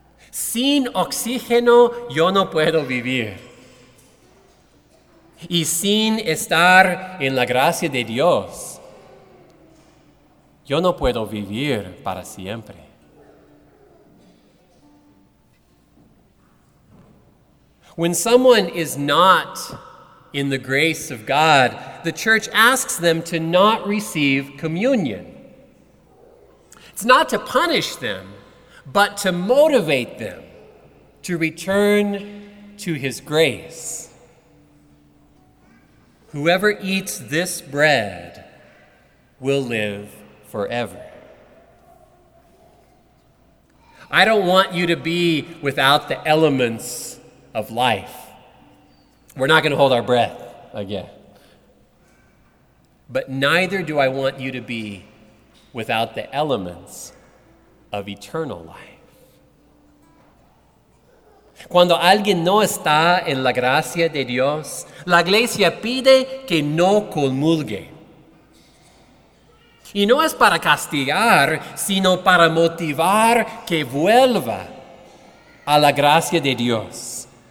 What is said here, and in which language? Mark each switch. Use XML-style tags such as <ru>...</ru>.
<es>Sin oxígeno, yo no puedo vivir. Y sin estar en la gracia de Dios, yo no puedo vivir para siempre.</es> <en>When someone is not in the grace of God, the church asks them to not receive communion. It's not to punish them, but to motivate them to return to His grace. Whoever eats this bread will live forever. I don't want you to be without the elements of life. We're not going to hold our breath again. But neither do I want you to be without the elements of eternal life.</en> <es>Cuando alguien no está en la gracia de Dios, la iglesia pide que no comulgue. Y no es para castigar, sino para motivar que vuelva a la gracia de Dios.</es>